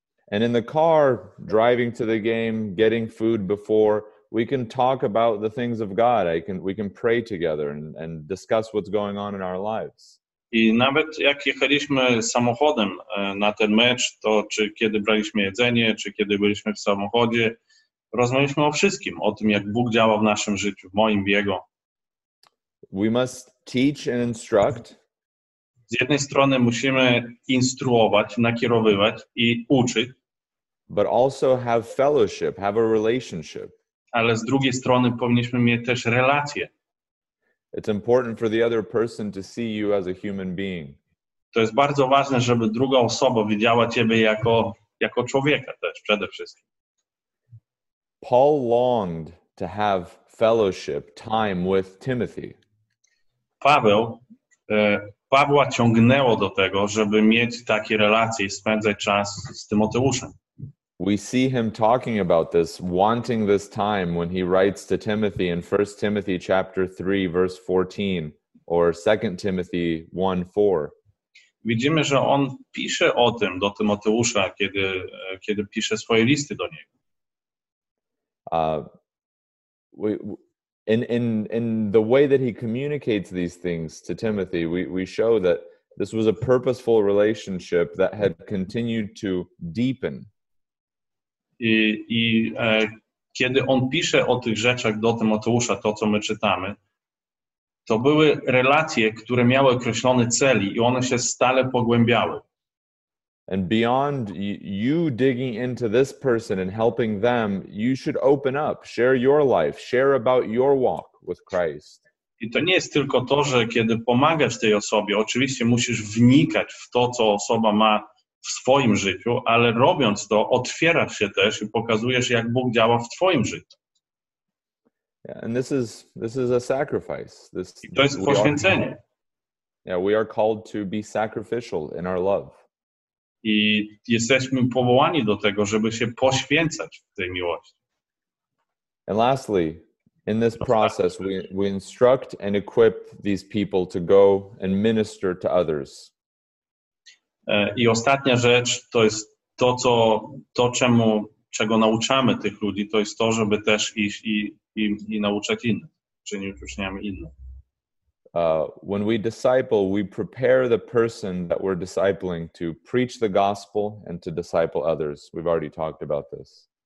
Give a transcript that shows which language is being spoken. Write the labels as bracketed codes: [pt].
[en] And in the car driving to the game, getting food before, we can talk about the things of God. We can pray together and discuss what's going on in our lives. [pl] I nawet jak jechaliśmy samochodem na ten mecz, to czy kiedy braliśmy jedzenie, czy kiedy byliśmy w samochodzie, rozmawialiśmy o wszystkim, o tym, jak Bóg działa w naszym życiu, w moim, w jego. [en] We must teach and instruct. [pl] Z jednej strony musimy instruować, nakierowywać i uczyć. [en] But also have fellowship, have a relationship. [pl] Ale z drugiej strony powinniśmy mieć też relacje. [en] It's important for the other person to see you as a human being. [pl] To jest bardzo ważne, żeby druga osoba widziała ciebie jako człowieka też przede wszystkim. [en] Paul longed to have fellowship time with Timothy. [pl] Pawła ciągnęło do tego, żeby mieć takie relacje i spędzać czas z Tymoteuszem. [en] We see him talking about this, wanting this time when he writes to Timothy in 1 Timothy chapter 3 verse 14 or 2 Timothy 1:4. [pl] Widzimy, że on pisze o tym do Tymoteusza, kiedy pisze swoje listy do niego. [en] In the way that he communicates these things to Timothy, we show that this was a purposeful relationship that had continued to deepen. [pl] I kiedy on pisze o tych rzeczach do Tymoteusza, to co my czytamy, to były relacje, które miały określony cel i one się stale pogłębiały. [en] And beyond you digging into this person and helping them, you should open up, share your life, share about your walk with Christ. [pl] I to nie jest tylko to, że kiedy pomagasz tej osobie, oczywiście musisz wnikać w to, co osoba ma w swoim życiu, ale robiąc to, otwierasz się też i pokazujesz, jak Bóg działa w twoim życiu. [en] Yeah, and this is a sacrifice. [pl] To jest poświęcenie. [en] We are called to be sacrificial in our love. [pl] I jesteśmy powołani do tego, żeby się poświęcać w tej miłości. [en] And lastly, in this process, we instruct and equip these people to go and minister to others. [pl] I ostatnia rzecz to jest to, co to czemu czego nauczamy tych ludzi, to jest to, żeby też iść i nauczać innych, czynić uczniami innych. [en] When we disciple, we prepare the person that we're discipling to preach the gospel and to disciple others. We've already talked about this.